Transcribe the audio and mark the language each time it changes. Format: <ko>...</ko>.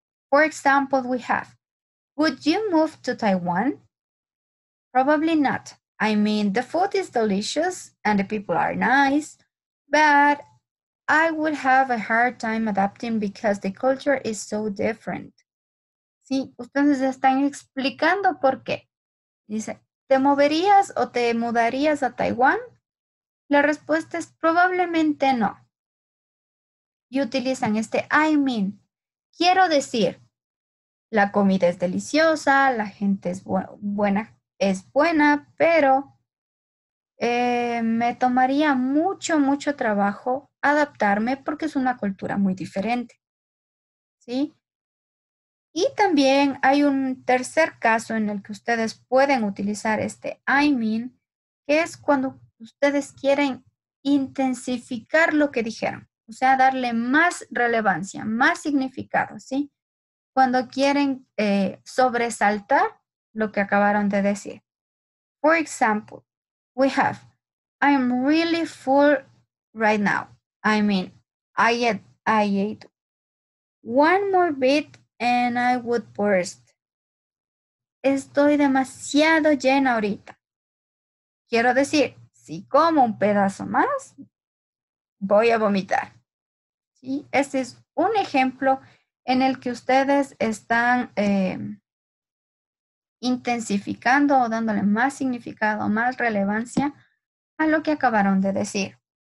<en>For example, we have, would you move to Taiwan? Probably not. I mean, the food is delicious and the people are nice, but I would have a hard time adapting because the culture is so different.</en> <es>Sí, ustedes están explicando por qué. Dice, ¿te moverías o te mudarías a Taiwán? La respuesta es probablemente no. Y utilizan este</es> <en>I mean.</en> <es>Quiero decir, la comida es deliciosa, la gente es buena. Es buena, pero me tomaría mucho, mucho trabajo adaptarme porque es una cultura muy diferente, ¿sí? Y también hay un tercer caso en el que ustedes pueden utilizar este</es> <en>I mean,</en> <es>que es cuando ustedes quieren intensificar lo que dijeron, o sea, darle más relevancia, más significado, ¿sí? Cuando quieren sobresaltar lo que acabaron de decir.</es> <en>For example, we have, I'm really full right now. I mean, I ate one more bit and I would burst.</en> <es>Estoy demasiado llena ahorita. Quiero decir, si como un pedazo más, voy a vomitar. ¿Sí? Este es un ejemplo en el que ustedes están intensificando o dándole más significado, más relevancia a lo que acabaron de decir.</es>